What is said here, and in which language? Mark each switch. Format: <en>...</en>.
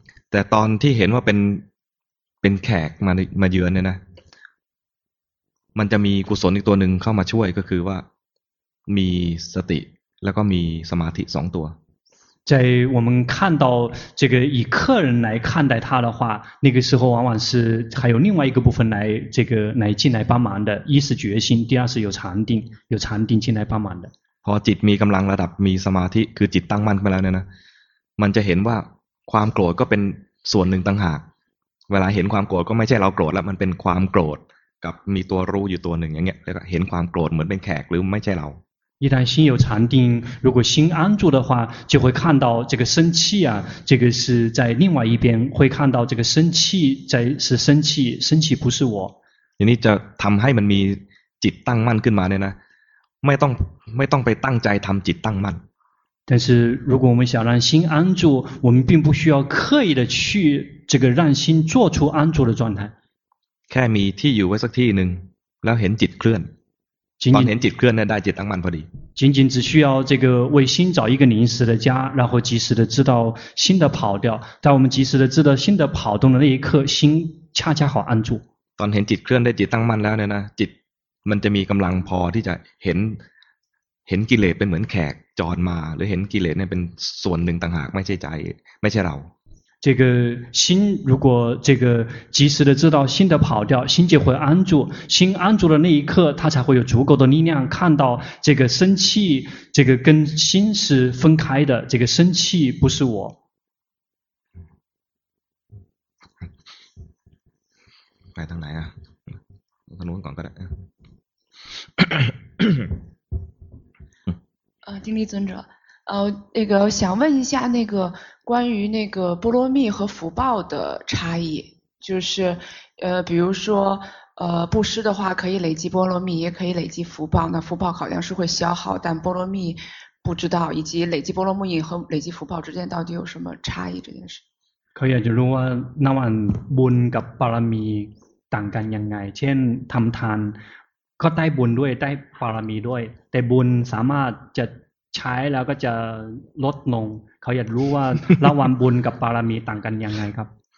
<th>แต่ตอนที่เห็นว่าเป็นแขกมาเยือนเนี่ยนะมันจะมีกุศลอีกตัวนึงเข้ามาช่วยก็คือว่ามีสติแล้วก็มีสมาธิสองตัว</th> <zh>ใน我们看到这个以客人来看待他的话那个时候往往是还有另外一个部分来这个来进来帮忙的一是决心第二是有禅定进来帮忙的</zh> <th>พอจิตมีกำลังระดับมีสมาธิคือจิตตั้งมั่นไปแล้วเนี่ยนะมันจะเห็นว่าความโกรธก็เป็นส่วนหนึ่งต่างหากเวลาเห็นความโกรธก็ไม่ใช่เราโกรธแล้วมันเป็นความโกรธกับมีตัวรู้อยู่ตัวหนึ่งอย่างเงี้ยแล้วก็เห็นความโกรธเหมือนเป็นแขกหรือไม่ใช่เรา</th> <zh>一旦心有禅定，如果心安住的话，就会看到这个生气啊，这个是在另外一边，会看到这个生气在是生气，生气不是我。</zh> <th>你จะทำให้มันมีจิตตั้งมั่นขึ้นมาเนี่ยนะ，ไม่ต้องไปตั้งใจทำจิตตั้งมั่น。</th> <zh>但是如果我们想让心安住，我们并不需要刻意的去这个让心做出安住的状态。</zh> <th>แค่มีที่อยู่ไว้สักที่หนึ่งแล้วเห็นจิตเคลื่อนตอนเห็นจิตเคลื่อนได้จิตตั้งมั่นพอดี</th> <zh>仅仅只需要这个为心找一个临时的家然后及时的知道心的跑掉在我们及时的知道心的跑动的那一刻心恰恰好安住</zh> <th>ตอนเห็นจิตเคลื่อนได้จิตตั้งมั่นแล้วเนี่ยนะจิตมันจะมีกำลังพอที่จะเห็นกิเลสเป็นเหมือนแขกจอดมาหรือเห็นกิเลสเนี่ยเป็นส่วนหนึ่งต่างหากไม่ใช่ใจไม่ใช่เรา</th> <zh>这个心如果这个及时的知道心的跑掉心就会安住心安住的那一刻它才会有足够的力量看到这个生气这个跟心是分开的这个生气不是我来当来啊我看我广告来啊经历尊者那个想问一下那个关于那个波罗蜜和福报的差异就是比如说布施的话可以累积波罗蜜也可以累积福报那福报好像是会消耗但波罗蜜不知道以及累积波罗蜜和累积福报之间到底有什么差异这件事可以就是说那晚</zh> <th>บุญกับบารมีต่างกันยังไงเช่นทำทานก็ได้บุญด้วยได้บารมีด้วยแต่บุญสามารถจะใช้แล้วก็จะลดลงเขาอยากรู้ว่าระหว่างบุญกับบารมีต่างกันยังไงครับ</th>